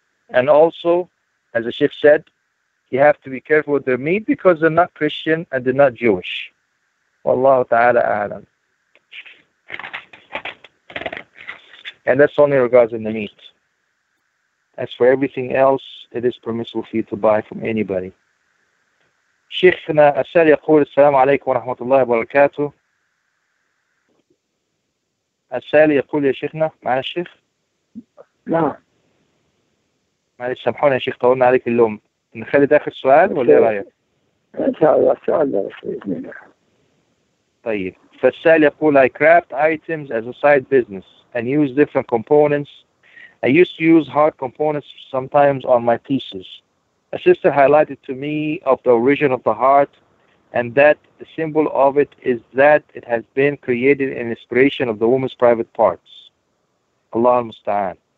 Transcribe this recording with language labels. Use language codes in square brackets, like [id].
[en] And also, as the Sheikh said, you have to be careful with their meat because they're not Christian and they're not Jewish. [ar] Wallahu ta'ala a'lam. [en] And that's only regarding the meat. As for everything else, it is permissible for you to buy from anybody. [ar] شيخنا السائل يقول السلام عليكم ورحمة الله وبركاته. السائل يقول يا شيخنا، معنا الشيخ؟ نعم. معلش سامحونا يا شيخ، طولنا عليك اللوم. نخلي داخل سؤال ولا إيه رأيك؟ إن شاء الله سؤال بإذن الله. طيب، فالسائل يقول [en] I craft items as a side business and use different components. I used to use hard components sometimes on my pieces. A sister highlighted to me of the origin of the heart and that the symbol of it is that it has been created in inspiration of the woman's private parts. [ar] Allah al-Musta'an.